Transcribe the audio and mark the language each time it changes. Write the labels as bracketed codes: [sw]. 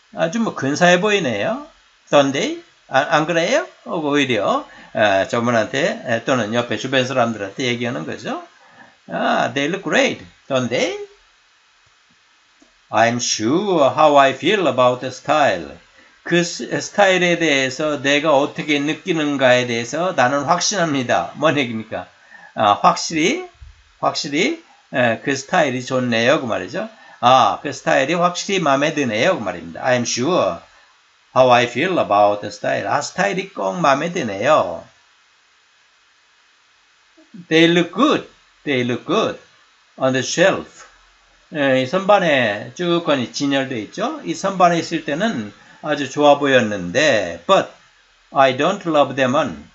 [ko] 아주 뭐 근사해 보이네요. [en] Don't they? [ko] 안 그래요? 오히려 저분한테 또는 옆에 주변 사람들한테 얘기하는 거죠. [en] Ah, they look great, don't they? I'm sure how I feel about the style. [ko] 그 스타일에 대해서 내가 어떻게 느끼는가에 대해서 나는 확신합니다. 뭔 얘기입니까? 아, 확실히 에, 그 스타일이 좋네요. 그 말이죠. 아, 그 스타일이 확실히 마음에 드네요. 그 말입니다. [en] I'm sure how I feel about the style. [ko] 아, 스타일이 꼭 마음에 드네요. [en] They look good. They look good on the shelf. [ko] 이 선반에 쭉 진열되어 있죠. 이 선반에 있을 때는 아주 좋아 보였는데, [en] but I don't love them on.